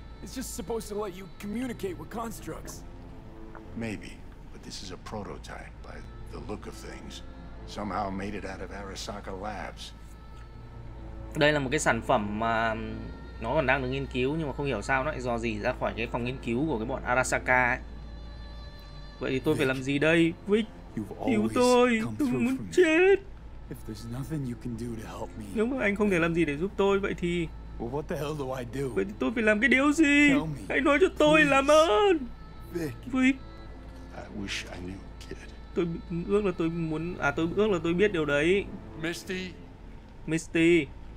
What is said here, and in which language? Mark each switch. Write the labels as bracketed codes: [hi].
[en] It's just supposed to let you communicate with constructs. Maybe, but this is a prototype by the look of things. Somehow made it out of Arasaka Labs. [vi] Đây là một cái sản phẩm mà nó còn đang được nghiên cứu, nhưng mà không hiểu sao nó lại dò dỉ ra khỏi cái phòng nghiên cứu của cái bọn Arasaka ấy. Vậy thì tôi phải làm gì đây? Vic, cứu tôi muốn chết. [en] If there's nothing you can do to help me. [vi] Nếu mà anh không thể làm gì để giúp tôi, vậy thì [en] well, what the hell do I do? [vi] Vậy thì tôi phải làm cái điều gì? Hãy nói cho tôi, làm ơn. Vic. [en] I wish I knew, kid. [vi] Tôi ước là tôi muốn tôi ước là tôi biết điều đấy. Misty.